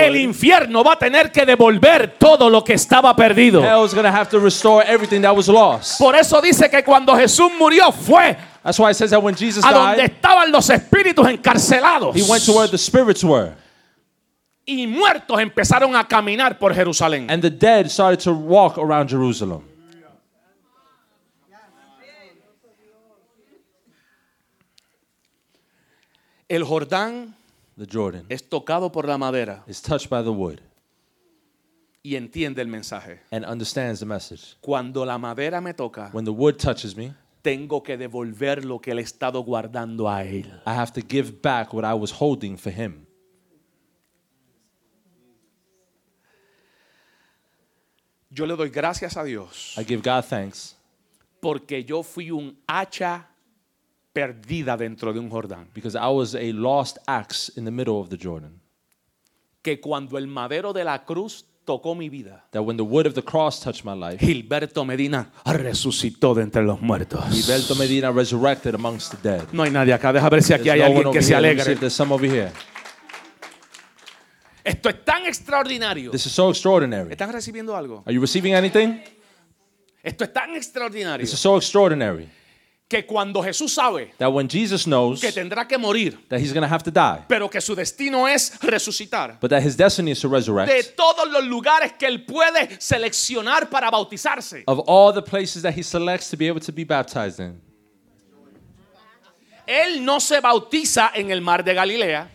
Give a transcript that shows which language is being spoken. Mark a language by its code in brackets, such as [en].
[es] El infierno va a tener que devolver todo lo que estaba perdido. [en] Hell is going to have to restore everything that was lost. [es] Por eso dice que cuando Jesús murió fue. [en] That's why it says that when Jesus died. [es] A donde estaban los espíritus encarcelados. [en] He went to where the spirits were. [es] Y muertos empezaron a caminar por Jerusalén. [en] And the dead started to walk around Jerusalem. [es] El Jordán, [en] the Jordan, [es] es tocado por la madera. [en] Is touched by the wood. [es] Y entiende el mensaje. [en] And understands the message. [es] Cuando la madera me toca, [en] when the wood touches me, [es] tengo que devolver lo que le he estado guardando a él. [en] I have to give back what I was holding for him. [es] Yo le doy gracias a Dios. [en] I give God thanks. [es] Porque yo fui un hacha perdida dentro de un Jordán. [en] Because I was a lost axe in the middle of the Jordan. [es] Que cuando el madero de la cruz tocó mi vida. [en] That when the wood of the cross touched my life. [es] Gilberto Medina resucitó de entre los muertos. [en] Gilberto Medina resurrected amongst the dead. [es] No hay nadie acá. Deja ver si aquí [en] there's [es] hay [en] no [es] alguien que [en] here. [es] Se alegre. [en] There's some over here. [es] Esto es tan extraordinario. [en] This is so extraordinary. [es] ¿Están recibiendo algo? [en] Are you receiving anything? [es] Esto es tan extraordinario. [en] This is so extraordinary. [es] Que cuando Jesús sabe. [en] That when Jesus knows. [es] Que tendrá que morir. [en] That he's going to have to die. [es] Pero que su destino es resucitar. [en] But that his destiny is to resurrect. [es] De todos los lugares que él puede seleccionar para bautizarse. [en] Of all the places that he selects to be able to be baptized in. [es] Él no se bautiza en el mar de Galilea.